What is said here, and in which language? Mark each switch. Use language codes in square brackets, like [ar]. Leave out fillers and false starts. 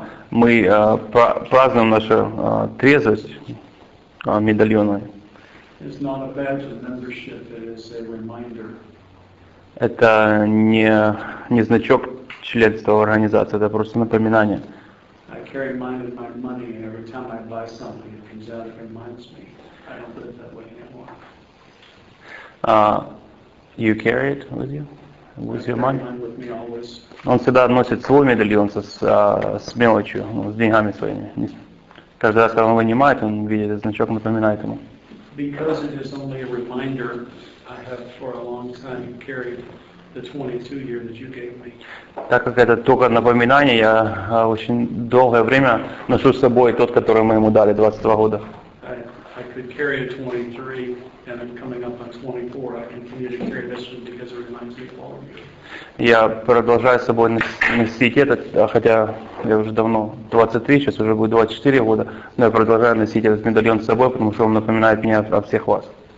[ru] Мы празднуем нашу трезвость медальонной. [en] It's not a badge of membership, it is a reminder. [ru] Это не значок членства организации, это просто напоминание. [en] I carry mine with my money, and every time I buy something, it comes out and reminds me. I don't live that way anymore. You carry it with you? With I your money? Mine with me always. [ru] Он всегда носит свой медальон с мелочью, с деньгами своими. Каждый раз, когда он вынимает, он видит значок, напоминает ему. [en] Because it is only a reminder, I have for a long time carried the 22 year that you gave me. [ru] Так как это только напоминание, я очень долгое время ношу с собой тот, который мы ему дали 22 года. [en] I could carry a 23, and I'm coming up on 24. I continue to carry this one because it reminds me of all of you. [ru] Я продолжаю с собой носить этот, хотя я уже давно 23, сейчас уже будет 24 года, но я продолжаю носить этот медальон с собой, потому что он напоминает мне о всех вас.